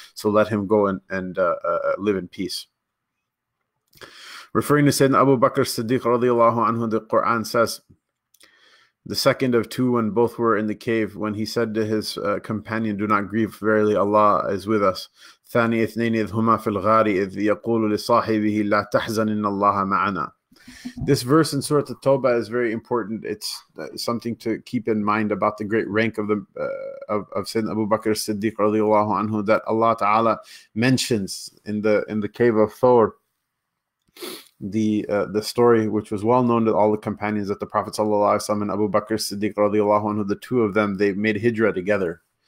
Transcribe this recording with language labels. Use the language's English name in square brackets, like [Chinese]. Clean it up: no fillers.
[English] So let him go and live in peace." Referring to Sayyidina Abu Bakr Siddiq radiallahu anhu, the Quran says, the second of two, when both were in the cave, when he said to his companion, "Do not grieve, verily Allah is with us." [Arabic] ثاني اثنين إذ هما في الغار إذ يقول لصاحبه لا تحزن إن الله معنا. [English] This verse in Surah At-Tawbah is very important. It's something to keep in mind about the great rank of the of Sayyidina Abu Bakr Siddiq radiallahu anhu, that Allah Ta'ala mentions in the cave of Thawr the story, which was well known to all the companions, that the Prophet sallallahu alaihi wasallam and Abu Bakr Siddiq radiallahu anhu, the two of them, they made hijrah together.